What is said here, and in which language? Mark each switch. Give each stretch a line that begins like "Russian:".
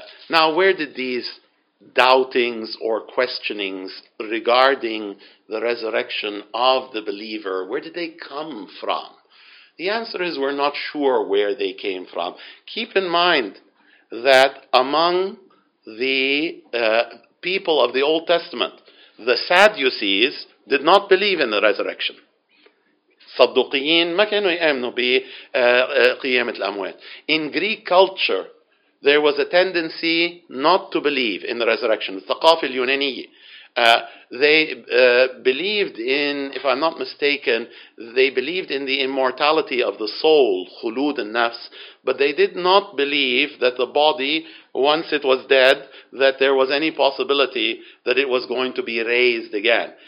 English: Now, where did these doubtings or questionings regarding the resurrection of the believer, where did they come from? The answer is we're not sure where they came from. Keep in mind that among the people of the Old Testament, the Sadducees did not believe in the resurrection.
Arabic: صدقين ما كانوا يؤمنوا بقيامة الأموات.
English: In Greek culture, there was a tendency not to believe in the resurrection.
Arabic: الثقافة اليونانية.
English: They believed in, if I'm not mistaken, they believed in the immortality of the soul,
Arabic: خلود النفس,
English: but they did not believe that the body, once it was dead, that there was any possibility that it was going to be raised again.